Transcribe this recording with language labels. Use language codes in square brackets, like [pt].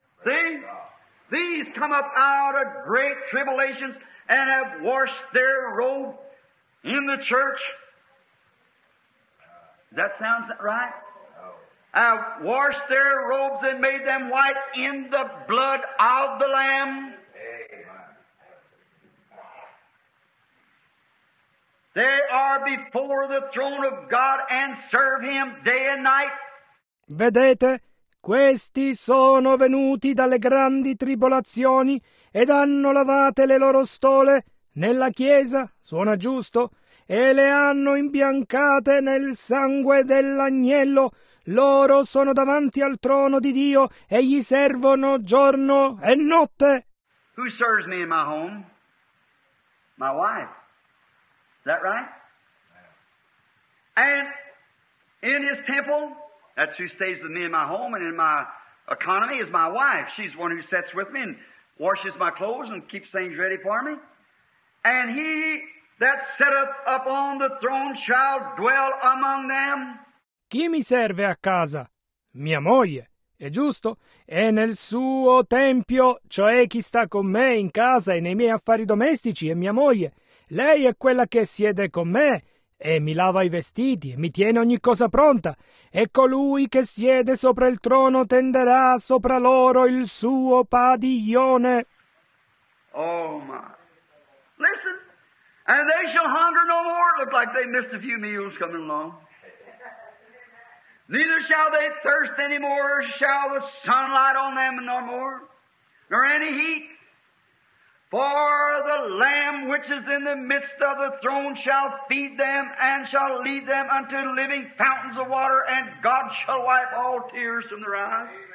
[en] See, these come up out of great tribulations and have washed their robe in the church. That sounds right? No. Have washed their robes and made them white in the blood of the Lamb. Amen. They are before the throne of God and serve Him day and night. [it] Vedete? Questi sono venuti dalle grandi tribolazioni ed hanno lavate le loro stole nella chiesa, suona giusto, e le hanno imbiancate nel sangue dell'agnello. Loro sono davanti al trono di Dio e gli servono giorno e notte. [en] Who serves me in my home? My wife. Is that right? And in his temple? That's who stays with me in my home and in my economy is my wife. She's the one who sits with me and washes my clothes and keeps things ready for me. And he that sitteth upon the throne shall dwell among them. [it] Chi mi serve a casa? Mia moglie. È giusto? E nel suo tempio, cioè chi sta con me in casa e nei miei affari domestici, è mia moglie. Lei è quella che siede con me. E mi lava i vestiti e mi tiene ogni cosa pronta. E colui che siede sopra il trono tenderà sopra loro il suo padiglione. [en] Oh my. Listen. And they shall hunger no more. Look like they missed a few meals coming along. Neither shall they thirst any more. Shall the sunlight on them no more. Nor any heat. For the Lamb which is in the midst of the throne shall feed them and shall lead them unto living fountains of water, and God shall wipe all tears from their eyes.